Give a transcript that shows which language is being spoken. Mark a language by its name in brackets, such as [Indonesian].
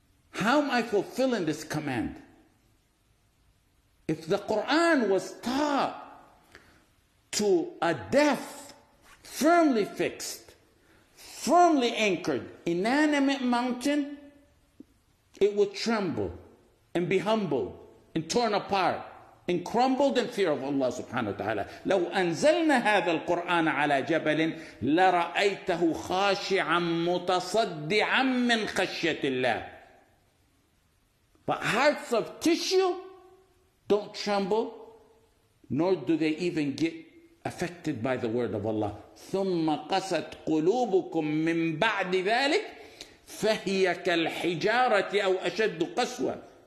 [English] How am I fulfilling this command? If the Quran was taught to a deaf, firmly fixed, firmly anchored, inanimate mountain, it would tremble and be humbled and torn apart and crumbled in fear of Allah subhanahu wa ta'ala. [Arabic] لو أنزلنا هذا القرآن على جبل لرأيته خاشعا متصدعا من خشية الله. [English] But hearts of tissue don't tremble, nor do they even get affected by the word of Allah. [Arabic] ثُمَّ قَسَتْ قُلُوبُكُمْ مِنْ بَعْدِ ذَلِكَ فَهِيَ كَالْحِجَارَةِ أَوْ أَشَدُّ قَسْوَةً.